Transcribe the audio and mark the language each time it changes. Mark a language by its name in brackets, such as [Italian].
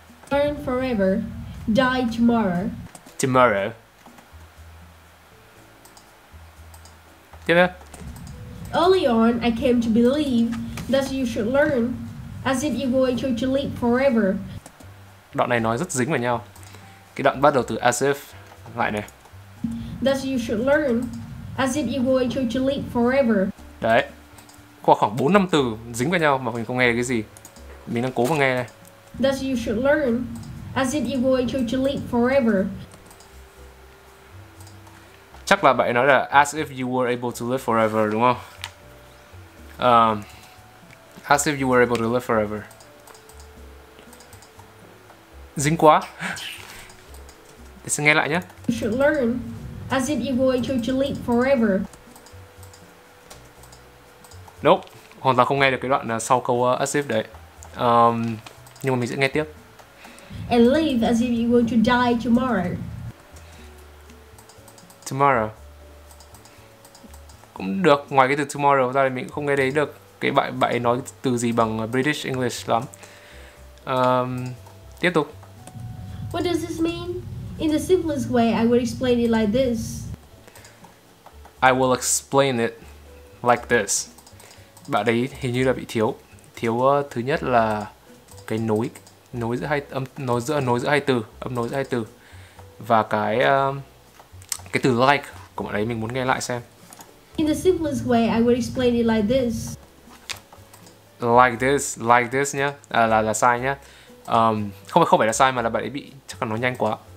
[English] Learn forever, die tomorrow. Tomorrow. [Vietnamese] Tiếp theo. [English] Early on, I came to believe that you should learn as if you were going to live forever. [Vietnamese] Đoạn này nói rất dính vào nhau. Cái đoạn bắt đầu từ [English] as if [Vietnamese] lại này. [English] That you should learn as if you were going to live forever. [Vietnamese] Đấy. Qua khoảng 4 5 từ dính vào nhau mà mình không nghe được cái gì. Mình đang cố mà nghe này. [English] That you should learn as if you were going to live forever. [Vietnamese] Chắc là bạn nói là [English] as if you were able to live forever [Vietnamese] đúng không? [English] As if you were able to live forever. [Vietnamese] Dính quá. Để xem nghe lại nhé. You should learn as if you were going to live forever. [English] Nope, [Vietnamese] hoàn toàn không nghe được cái đoạn sau câu [English] as if [Vietnamese] đấy. Nhưng mà mình sẽ nghe tiếp. [English] And live as if you were to die tomorrow. Tomorrow. [Vietnamese] Cũng được, ngoài cái từ tomorrow ra thì mình cũng không nghe thấy được cái bạn nói từ gì bằng British English lắm. Tiếp tục. [English] What does this mean? In the simplest way, I would explain it like this. I will explain it like this. [Vietnamese] Bạn ấy hình như là bị thiếu. Thiếu thứ nhất là cái nối giữa hai từ. Và cái từ like của bạn ấy mình muốn nghe lại xem. [English] In the simplest way, I would explain it like this. Like this [Vietnamese] nhá. Là sai nhá. Không phải là sai mà là bạn ấy bị chắc là nói nhanh quá.